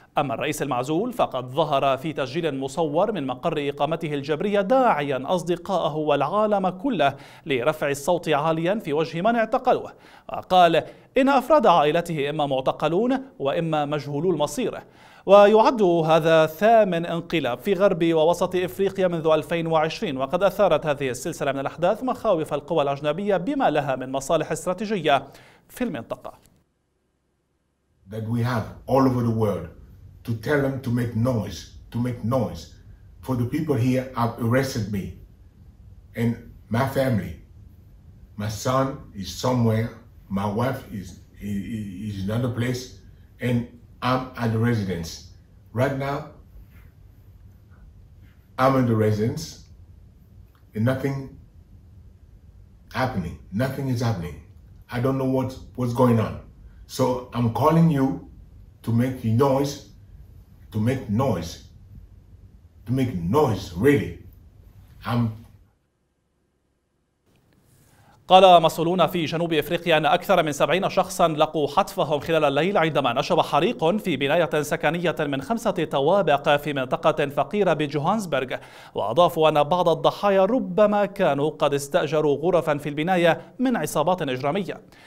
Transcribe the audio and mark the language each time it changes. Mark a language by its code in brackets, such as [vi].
[ar] أما الرئيس المعزول فقد ظهر في تسجيل مصور من مقر إقامته الجبرية داعيا أصدقائه والعالم كله لرفع الصوت عاليا في وجه من اعتقلوه، وقال إن أفراد عائلته إما معتقلون وإما مجهولو المصير. ويعد هذا ثامن انقلاب في غرب ووسط إفريقيا منذ 2020، وقد أثارت هذه السلسلة من الأحداث مخاوف القوى الأجنبية بما لها من مصالح استراتيجية في المنطقة. [en] that we have all over the world to tell them to make noise, to make noise. For the people here have arrested me and my family. My son is somewhere, my wife is in another place, and I'm at the residence. Right now, I'm in the residence and nothing happening. Nothing is happening. I don't know what's going on. So I'm calling you to make noise, to make noise, to make noise, really. [ar] قال مسؤولون في جنوب إفريقيا أن أكثر من 70 شخصا لقوا حتفهم خلال الليل عندما نشب حريق في بناية سكنية من 5 طوابق في منطقة فقيرة بجوهانسبرغ، وأضافوا أن بعض الضحايا ربما كانوا قد استأجروا غرفا في البناية من عصابات إجرامية.